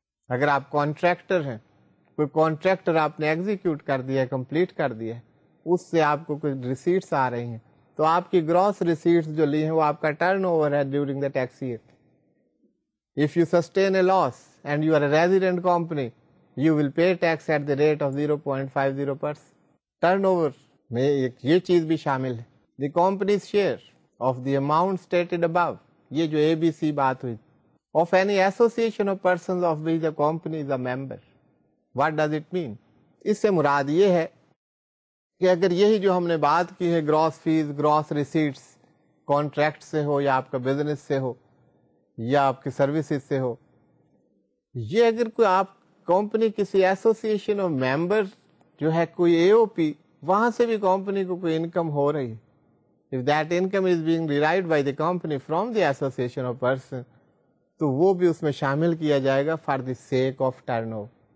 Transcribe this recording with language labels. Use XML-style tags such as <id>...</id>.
<ur>اگر آپ کانٹریکٹر ہیں, کوئی کانٹریکٹر آپ نے ایگزیکیوٹ کر دیا ہے, کمپلیٹ کر دیا ہے, اس سے آپ کو کچھ ریسیٹس آ رہی ہیں, تو آپ کی گراس ریسیٹس جو لی ہیں وہ آپ کا ٹرن اوور ہے</ur> <en>During the tax year. If you sustain a loss and you are a resident company you will pay tax at the rate of 0.50%.</en> <ur>Turn over میں یہ چیز بھی شامل ہے.</ur> <en>the companies share of the amount stated above,</en> <ur>یہ جو اے B C بات ہوئی,</ur> <en>Of any association of persons of which the company is a member. What does it mean?</en> <ur>اس سے مراد یہ ہے کہ اگر یہی جو ہم نے بات کی ہے grass face, grass receipts contract سے ہو یا آپ کا بزنس سے ہو یا آپ کی سروسز سے ہو, یہ اگر کوئی آپ کمپنی کسی ایسوسیشن اور ممبر جو ہے کوئی اے او پی, وہاں سے بھی کمپنی کو کوئی انکم ہو رہی ہے,</ur> <en>if that income is being derived by the company from the association of person,</en> <ur>تو وہ بھی اس میں شامل کیا جائے گا</ur> <en>for the sake of turnover.</en>